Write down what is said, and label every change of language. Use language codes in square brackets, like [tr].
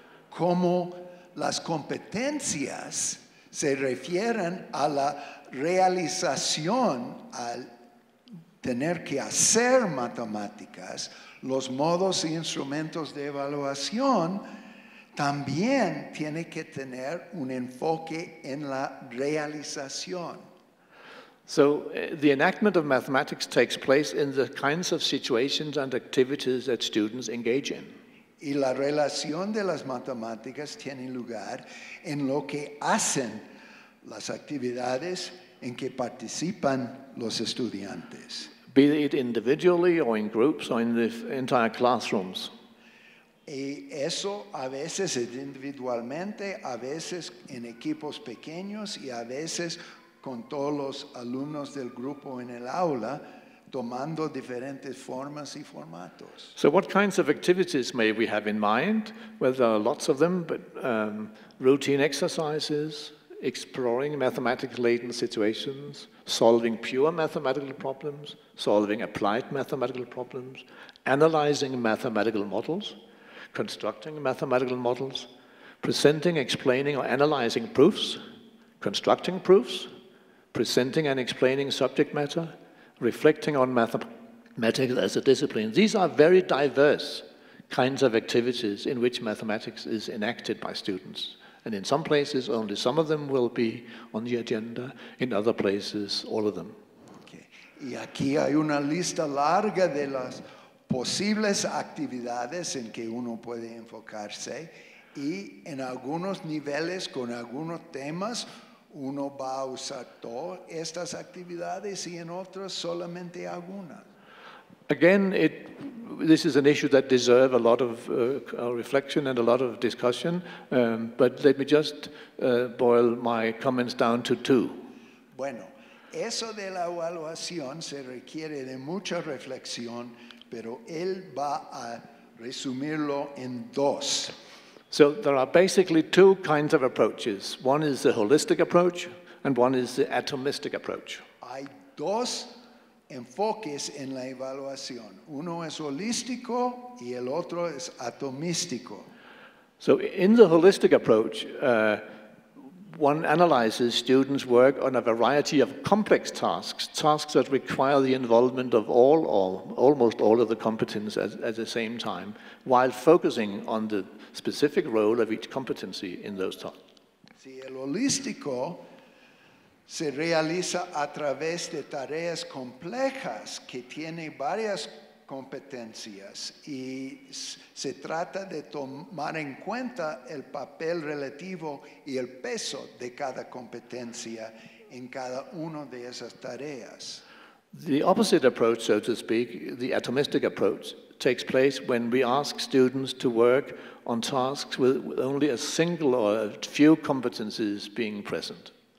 [es] Como las competencias se refieren a la realización, al tener que hacer matemáticas, los modos e instrumentos de evaluación también tiene que tener un enfoque en la realización. [en] So the enactment of mathematics takes place in the kinds of situations and activities that students engage in. [es] Y la relación de las matemáticas tiene lugar en lo que hacen las actividades en que participan los estudiantes. [en] Be it individually or in groups or in the entire classrooms. [es] Y eso a veces es individualmente, a veces en equipos pequeños y a veces con todos los alumnos del grupo en el aula, tomando diferentes formas y formatos. [en] So what kinds of activities may we have in mind? Well, there are lots of them, but routine exercises, exploring mathematics-laden situations, solving pure mathematical problems, solving applied mathematical problems, analyzing mathematical models, constructing mathematical models, presenting, explaining, or analyzing proofs, constructing proofs, presenting and explaining subject matter, reflecting on mathematics as a discipline. These are very diverse kinds of activities in which mathematics is enacted by students. And in some places, only some of them will be on the agenda. In other places, all of them. [es] Okay. Y aquí hay una lista larga de las posibles actividades en que uno puede enfocarse. Y en algunos niveles, con algunos temas, uno va a usar todas estas actividades y en otras solamente algunas. [en] Again, this is an issue that deserves a lot of reflection and a lot of discussion, but let me just boil my comments down to two. [es] Bueno, eso de la evaluación se requiere de mucha reflexión, pero él va a resumirlo en dos. [en] So there are basically two kinds of approaches. One is the holistic approach, and one is the atomistic approach. [es] Hay dos enfoques en la evaluación. Uno es holístico y el otro es atomístico. [en] So in the holistic approach, one analyzes students' work on a variety of complex tasks, tasks that require the involvement of all or almost all of the competence at the same time, while focusing on the specific role of each competency in those tasks. [es] Sí, el holístico se realiza a través de tareas complejas que tiene varias competencias y se trata de tomar en cuenta el papel relativo y el peso de cada competencia en cada una de esas tareas. [en] The opposite approach, so to speak, the atomistic approach, takes place when we ask students to work on tasks with only a single or a few competencies being present.